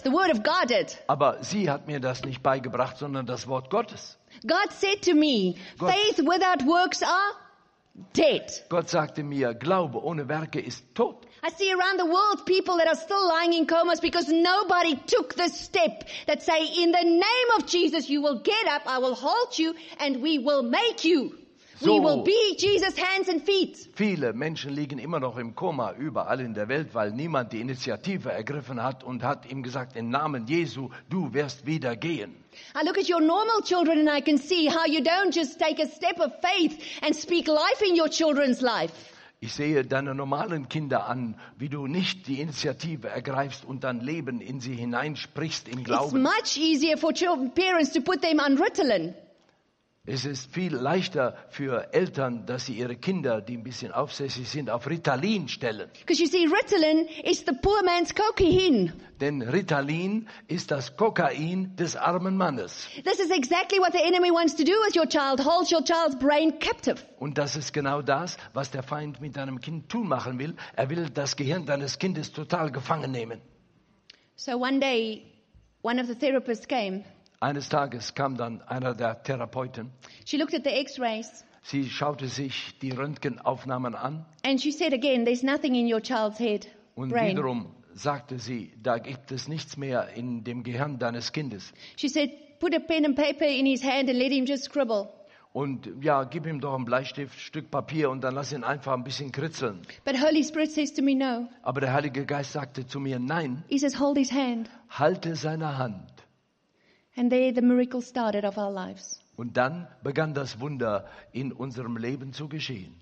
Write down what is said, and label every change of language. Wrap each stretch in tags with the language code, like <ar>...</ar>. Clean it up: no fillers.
<en>The word of God did.</en> <de>Aber sie hat mir das nicht beigebracht, sondern das Wort Gottes.</de> <en>God said to me, faith without works are dead.</en> <de>Gott sagte mir, Glaube ohne Werke ist tot.</de> <en>I see around the world people that are still lying in comas because nobody took the step that say, in the name of Jesus, you will get up, I will hold you, and we will make you. So we will be Jesus' hands and feet.</en> <de>Viele Menschen liegen immer noch im Koma überall in der Welt, weil niemand die Initiative ergriffen hat und hat ihm gesagt, im Namen Jesu, du wirst wieder gehen.</de> <en>I look at your normal children and I can see how you don't just take a step of faith and speak life in your children's life.</en> <de>Ich sehe deine normalen Kinder an, wie du nicht die Initiative ergreifst und dein Leben in sie hineinsprichst im Glauben.</de> <en>It's much easier for children, parents to put them on Ritalin.</en> <de>Es ist viel leichter für Eltern, dass sie ihre Kinder, die ein bisschen aufsässig sind, auf Ritalin stellen.</de> <en>Because you see, Ritalin is the poor man's cocaine.</en> <de>Denn Ritalin ist das Kokain des armen Mannes.</de> <en>This is exactly what the enemy wants to do with your child, hold your child's brain captive.</en> <de>Und das ist genau das, was der Feind mit deinem Kind tun machen will. Er will das Gehirn deines Kindes total gefangen nehmen.</de> <en>So one day, one of the therapists came.</en> <de>Eines Tages kam dann einer der Therapeuten.</de> <en>She looked at the X-rays.</en> <de>Sie schaute sich die Röntgenaufnahmen an.</de> <en>And she said again, there's nothing in your child's head.</en> <de>Und wiederum sagte sie, da gibt es nichts mehr in dem Gehirn deines Kindes.</de> <en>She said, put a pen and paper in his hand and let him just scribble.</en> <de>Und ja, gib ihm doch einen Bleistift, Stück Papier und dann lass ihn einfach ein bisschen kritzeln.</de> <en>But Holy Spirit says to me, no.</en> <de>Aber der Heilige Geist sagte zu mir, nein.</de> <en>He says, hold his hand.</en> <de>Halte seine Hand.</de> <en>And there the miracle started of our lives.</en> <de>Und dann begann das Wunder in unserem Leben zu geschehen.</de>